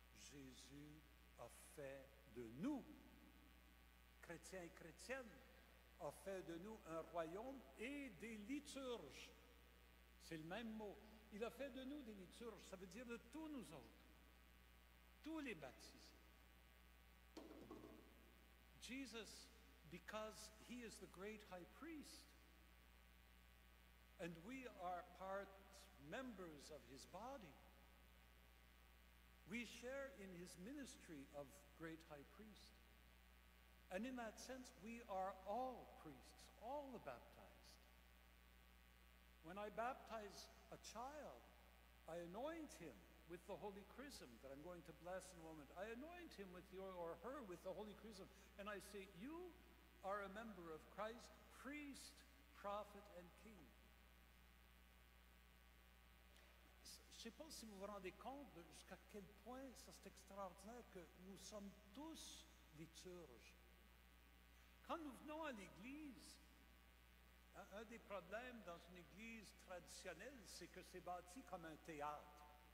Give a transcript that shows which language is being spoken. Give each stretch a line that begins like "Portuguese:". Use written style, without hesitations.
French: Jésus a fait de nous, chrétiens et chrétiennes, a fait de nous un royaume et des liturges. C'est le même mot. Il a fait de nous des liturges, ça veut dire de tous nous autres, tous les baptisés.
English: Jesus, because he is the great high priest, and we are part members of his body, we share in his ministry of great high priest. And in that sense, we are all priests, all the baptized. When I baptize a child, I anoint him with the holy chrism that I'm going to bless in a moment. I anoint him with her with the holy chrism. And I say, you are a member of Christ, priest, prophet, and king.
French: Je ne sais pas si vous vous rendez compte de jusqu'à quel point ça c'est extraordinaire que nous sommes tous liturges. Quand nous venons à l'église, un des problèmes dans une église traditionnelle, c'est que c'est bâti comme un théâtre.